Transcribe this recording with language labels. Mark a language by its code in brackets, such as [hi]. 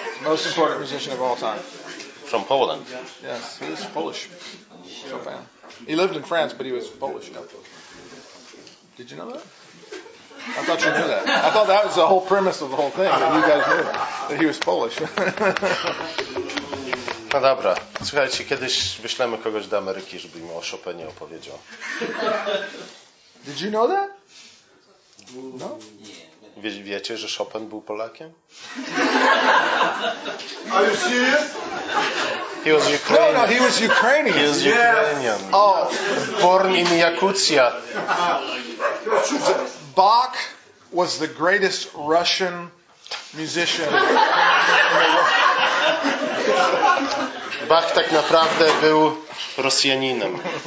[en] Most important musician of all time. From Poland? Yes, he was Polish. Chopin. He lived in France, but he was Polish. No. Did you know that? I thought you knew that. I thought that was the whole premise of the whole thing, that you guys knew that he was Polish. [pl] No dobra, słuchajcie, kiedyś wyślemy kogoś do Ameryki, żeby im o Chopinie opowiedział. [en] Did you know that? No? [pl] Wiecie, że Chopin był Polakiem? [en] Are you serious? He was Ukrainian. No, he was Ukrainian. He was Ukrainian. Oh, born in Yakutia. Bach was the greatest Russian musician in the world. [pl] Bach tak naprawdę był Rosjaninem.